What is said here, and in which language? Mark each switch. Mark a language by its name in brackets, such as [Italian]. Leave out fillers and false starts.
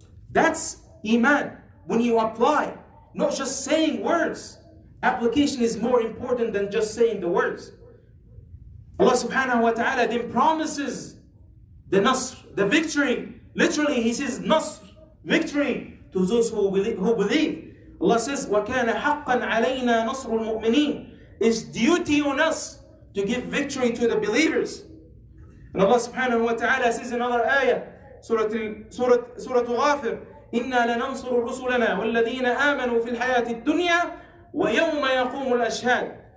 [English] That's iman, when you apply, not just saying words. Application is more important than just saying the words. Allah subhanahu wa ta'ala then promises the nasr, the victory. Literally, he says nasr, victory, to those who believe. Allah says, [Arabic] وَكَانَ حَقًّا عَلَيْنَا نَصْرُ الْمُؤْمِنِينَ. [English] It's duty on us to give victory to the believers. And Allah subhanahu wa ta'ala says in another ayah, Surah Ghafir, [Arabic] إِنَّا لَنَنْصُرُ رُسُلَنَا وَالَّذِينَ آمَنُوا فِي الْحَيَاةِ الدُّنْيَا وَيَوْمَ يَقُومُ الْأَشْهَادِ.